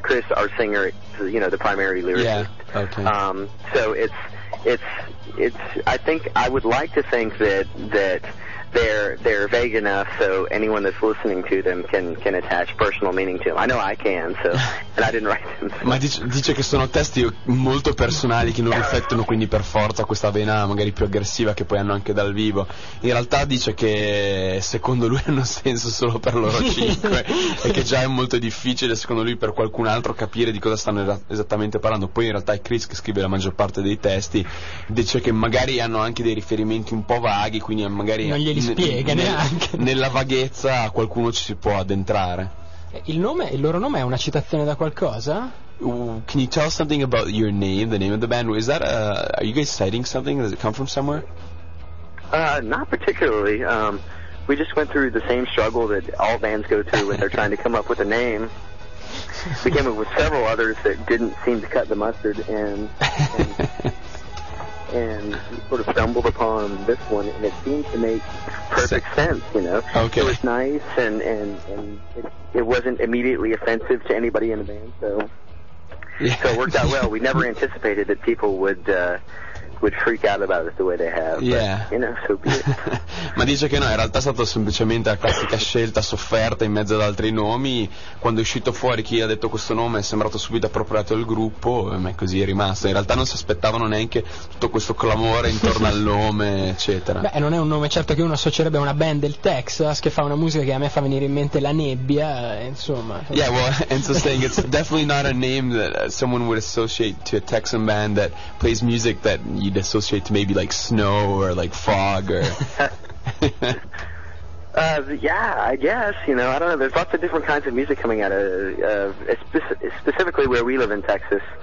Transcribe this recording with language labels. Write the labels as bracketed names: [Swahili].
[English] Chris, our singer, you know, the primary lyricist. Yeah. Okay. So it's. I think I would like to think that they're vague enough so anyone that's listening to them can attach personal meaning to them. I know I can, so and I didn't write them. [Italian] Ma dice che sono testi molto personali che non riflettono quindi per forza questa vena magari più aggressiva che poi hanno anche dal vivo. In realtà dice che secondo lui hanno senso solo per loro cinque e che già è molto difficile secondo lui per qualcun altro capire di cosa stanno esattamente parlando. Poi in realtà è Chris che scrive la maggior parte dei testi, dice che magari hanno anche dei riferimenti un po' vaghi, quindi magari non gli spiega neanche. Nella vaghezza qualcuno ci si può addentrare. Il loro nome è una citazione da qualcosa? [English] Can you tell something about your name, the name of the band? Is that are you guys citing something? Does it come from somewhere? Not particularly. We just went through the same struggle that all bands go through when they're trying to come up with a name. We came up with several others that didn't seem to cut the mustard, and sort of stumbled upon this one, and it seemed to make perfect sense, you know. Okay. It was nice, and it wasn't immediately offensive to anybody in the band, so... Yeah. So it worked out well. We never anticipated that people would freak out about it the way they have. Yeah. But, you know, so be it. [Italian] Ma dice che no, in realtà è stata semplicemente la classica scelta sofferta in mezzo ad altri nomi. Quando è uscito fuori chi ha detto questo nome è sembrato subito appropriato al gruppo, ma è così è rimasto. In realtà non si aspettavano neanche tutto questo clamore intorno al nome, eccetera. Beh, non è un nome certo che uno associerebbe a una band del Texas che fa una musica che a me fa venire in mente la nebbia, insomma. [English] Yeah, well, Enzo saying it's definitely not a name that someone would associate to a Texan band that plays music that you'd associate to maybe like snow or like fog or... yeah, I guess, you know, I don't know. There's lots of different kinds of music coming out of specifically where we live in Texas.